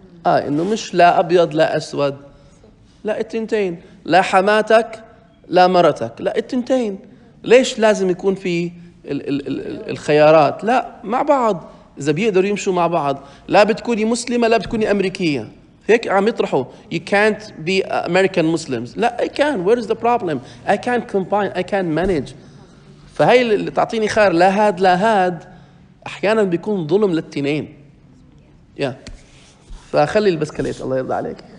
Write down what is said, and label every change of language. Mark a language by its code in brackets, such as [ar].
[ar] إنه مش لا أبيض لا أسود، لا التنتين، لا حماتك لا مرتك، لا التنتين. ليش لازم يكون في الخيارات؟ لا، مع بعض إذا بيقدروا يمشوا مع بعض. لا بتكوني مسلمة لا بتكوني أمريكية، هيك عم يطرحوا. [en] You can't be American Muslims. لا I can. Where is the problem? I can combine. I can manage. [ar] فهي اللي تعطيني خيار، لا هاد لا هاد، احيانا بيكون ظلم للتنين. يا فخلي البسكليت الله يرضى عليك.